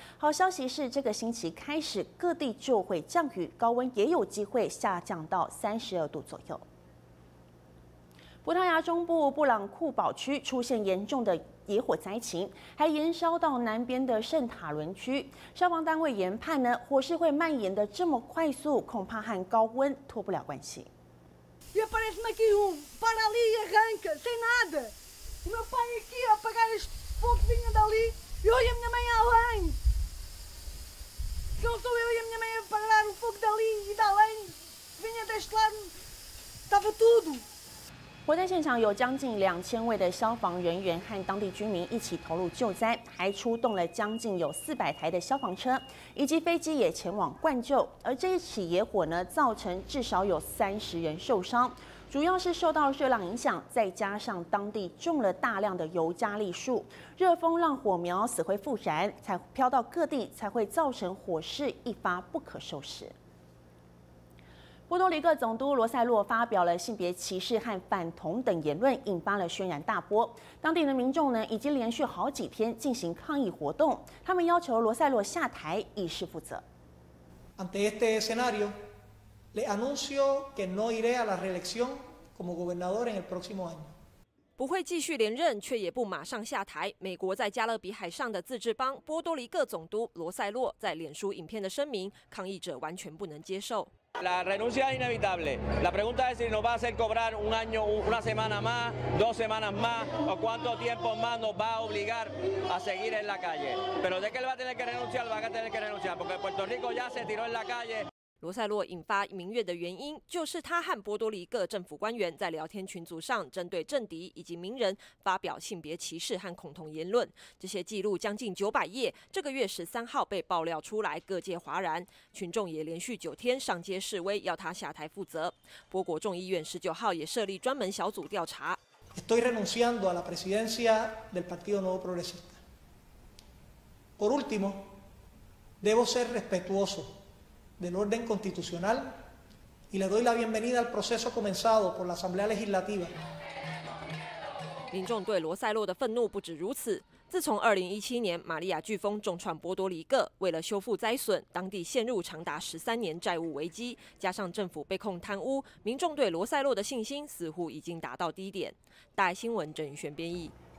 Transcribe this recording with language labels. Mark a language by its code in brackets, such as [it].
[zh] 好消息是，这个星期开始各地就会降雨，高温也有机会下降到32度左右。葡萄牙中部布朗库堡区出现严重的野火灾情，还延烧到南边的圣塔伦区。消防单位研判呢，火势会蔓延的这么快速，恐怕和高温脱不了关系。 [pt] Y aparece aqui para ali e arranca sem nada. O meu pai aqui a apagar as fogozinhas dali. Eu e a minha mãe além. Não sou eu e a minha mãe a apagar o fogo dali e de além. Vinha deste lado, estava tudo. [zh] 活灾现场有将近2000位的消防人员和当地居民一起投入救灾，还出动了将近有400台的消防车，以及飞机也前往灌救。而这一起野火呢，造成至少有30人受伤，主要是受到热浪影响，再加上当地种了大量的尤加利树，热风让火苗死灰复燃，才飘到各地，才会造成火势一发不可收拾。波多黎各总督罗塞洛发表了性别歧视和反同等言论，引发了轩然大波。当地的民众呢，已经连续好几天进行抗议活动，他们要求罗塞洛下台，以示负责。 [es] Ante este escenario, le anuncio que no iré a la reelección como gobernador en el próximo año。 [zh] 不会继续连任，却也不马上下台。美国在加勒比海上的自治邦波多黎各总督罗塞洛在脸书影片的声明，抗议者完全不能接受。 [es] La renuncia es inevitable. La pregunta es si nos va a hacer cobrar un año, una semana más, dos semanas más, o cuánto tiempo más nos va a obligar a seguir en la calle. Pero de que él va a tener que renunciar, va a tener que renunciar, porque Puerto Rico ya se tiró en la calle. [zh] 罗塞洛引发民怨的原因，就是他和波多黎各政府官员在聊天群组上，针对政敌以及名人发表性别歧视和恐同言论。这些记录将近900页，这个月13号被爆料出来，各界哗然，群众也连续9天上街示威，要他下台负责。波国众议院19号也设立专门小组调查。 [es] Estoy renunciando a la presidencia del Partido Nuevo Progresista. Por último, debo ser respetuoso. Del orden constitucional y le doy la bienvenida al proceso comenzado por la Asamblea Legislativa. [zh] 民众对罗塞洛的愤怒不止如此。自从2017年玛利亚飓风重创波多黎各，为了修复灾损，当地陷入长达13年债务危机，加上政府被控贪污，民众对罗塞洛的信心似乎已经达到低点。大爱新闻郑宇轩编译。